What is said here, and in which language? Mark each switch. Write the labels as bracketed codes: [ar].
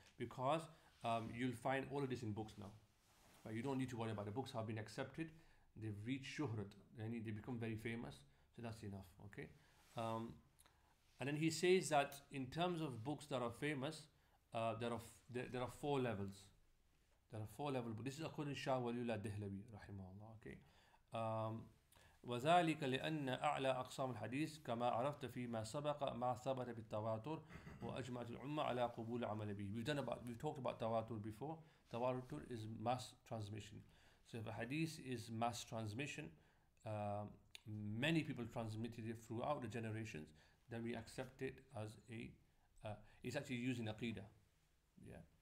[en] Because you'll find all of this in books now. But you don't need to worry about it. The books have been accepted. They've reached shuhrat. They become very famous. So that's enough. Okay. And then he says that in terms of books that are famous, there are four levels. There are four levels. But this is according to Shah Waliullah Dehlawi, rahimahullah. Okay. [ar] وذلك لأن أعلى أقسام الحديث كما عرفت فيما سبق ما ثبت بالتواتر وأجمع العلماء على قبول عمل به. [en] We've talked about tawatur before. Tawatur is mass transmission. So if a hadith is mass transmission, many people transmitted it throughout the generations, then we accept it as it's actually using aqidah. Yeah.